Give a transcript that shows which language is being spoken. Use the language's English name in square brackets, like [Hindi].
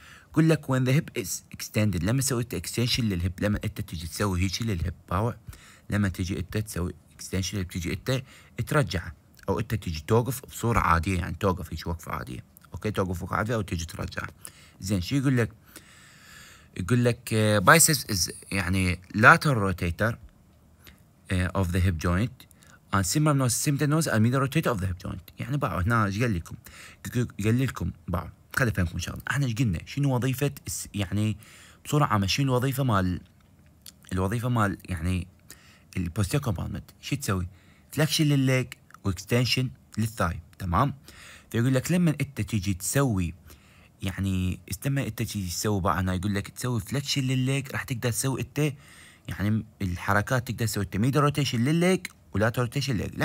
[Arabic] يقول لك [English] when the hip is extended [Arabic] لما سويت extension للهب، لما انت تجي تسوي هيك للهب باو لما تجي انت تسوي extension تجي انت ترجع او انت تجي توقف بصوره عاديه يعني توقف هيك وقفه عاديه اوكي توقف وقفه عاديه او تجي ترجع زين. شو يقول لك؟ يقول لك بايسس از يعني [English] lateral rotator of the hip joint and simultaneous simultaneous and medial rotator of the hip joint. [Arabic] يعني باعوا هنا ايش قال لكم؟ قال لكم باعوا خلي افهمكم ان شاء الله، احنا ايش قلنا؟ شنو وظيفه يعني بصوره عامه شنو الوظيفه مال الوظيفه مال يعني البوستيريور كومبارتمنت؟ شو تسوي؟ فلكشن للليج واكستنشن للثاي تمام؟ فيقول لك لما انت تيجي تسوي يعني استمع انت تيجي تسوي بقى انا يقول لك تسوي فلكشن للليج راح تقدر تسوي انت يعني الحركات تقدر تسوي انت ميد روتيشن للليج ولاتر روتيشن للليج.